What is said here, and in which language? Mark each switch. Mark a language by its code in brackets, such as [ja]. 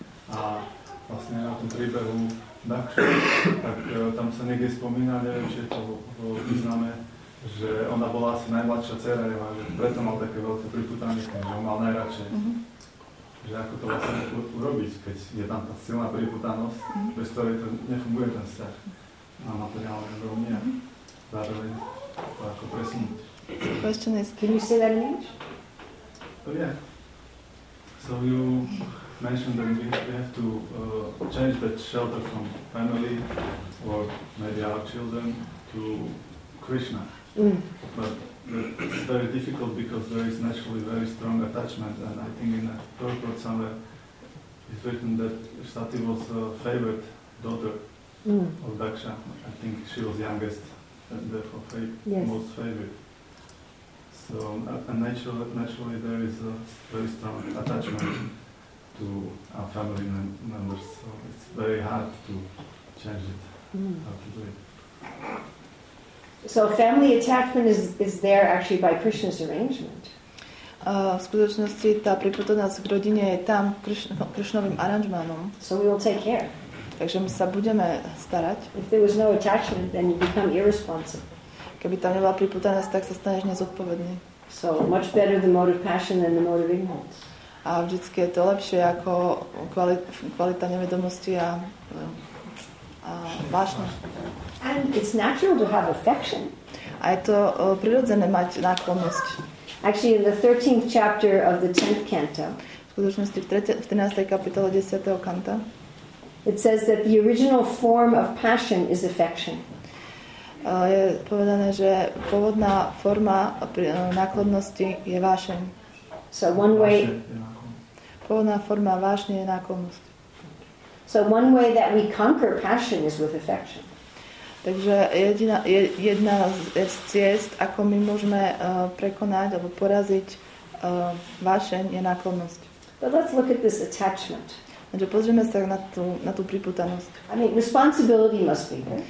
[sk] A vlastne na tom príbehu Dakša, tak tam sa niekde spomína, neviem, či je to význame, že ona bola asi najmladšia dcera Eva, že preto mal také veľké pripútanie, že on mal najradšej. Že ako to vlastne urobiť, keď je tam tá silná pripútanosť, bez ktorej to nefunguje ten vzťah na materiálnej úrovni a zároveň to ako presunúť. [en] Question is, can you say that in English? Oh yeah. So you mentioned that we have to change that shelter from family or maybe our children to Krishna. But it's very difficult because there is naturally very strong attachment, and I think in a purport somewhere it's written that Sati was a favorite daughter of Daksha. I think she was youngest and therefore most favorite. So naturally there is a very strong attachment to our family members, so it's very hard to change it, how to do it. So family attachment is there actually by Krishna's arrangement. [sk] V skutočnosti tá pripútanosť k rodine je tam Krishnovým aranžmánom. [en] So we will take care. [sk] Takže my sa budeme starať. [en] If there was no attachment, then you become irresponsible. [sk] Keby tam nebola pripútanosť, tak sa staneš nezodpovedný. [en] So much better the mode of passion than the mode of ignorance. [sk] A vždycky je to lepšie ako kvalita nevedomosti a vášnosť. [en] And it's natural to have affection. [sk] A je to prirodzené mať náklonnosť. [en] Actually, in the 13th chapter of the 10th canto, [sk] v skutočnosti v 13. kapitole 10. kanta, [en] it says that the original form of passion is affection. [sk] Je povedané, že pôvodná forma náklonnosti je vášeň. [en] So one way... [sk] Pôvodná forma vášne je náklonnosť. [en] So one way that we conquer passion is with affection. [sk] Takže jedna z ciest, ako my môžeme prekonať alebo poraziť vášeň, je náklonnosť. [en] But let's look at this attachment. [sk] Takže pozrieme sa na tú pripútanosť. [en] I mean, responsibility must be.